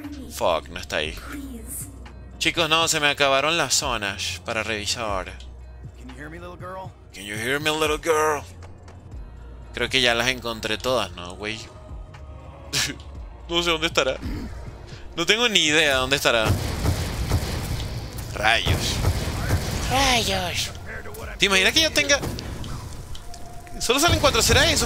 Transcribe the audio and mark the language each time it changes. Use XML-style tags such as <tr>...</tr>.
<es>Fuck, no está ahí. Chicos, no, se me acabaron las zonas para revisar.</es> <en>Can you hear me, little girl?</en> <es>Creo que ya las encontré todas, ¿no, güey? No sé dónde estará. No tengo ni idea dónde estará. Rayos. Rayos. ¿Te imaginas que ya tenga? Solo salen 4, ¿será eso?</es>